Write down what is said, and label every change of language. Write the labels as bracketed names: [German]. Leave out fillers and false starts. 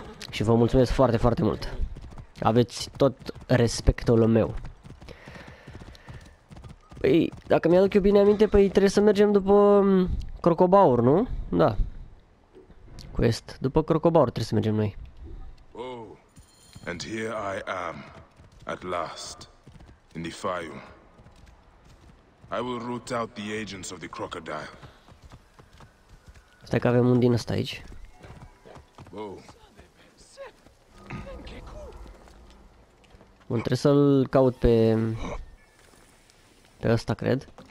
[Romanian] Și vă mulțumesc foarte, foarte mult. Aveți tot respectul meu. Păi, dacă mi-aduc eu bine aminte, păi trebuie să mergem după Crocobaur, nu? Da. Quest, după Crocobaur trebuie să mergem noi. [English] And here I am, at last, in the Fayum. I will root out the agents of the crocodile. [Romanian] Stai că avem un din ăsta aici. Bun, trebuie să-l caut pe ăsta, cred.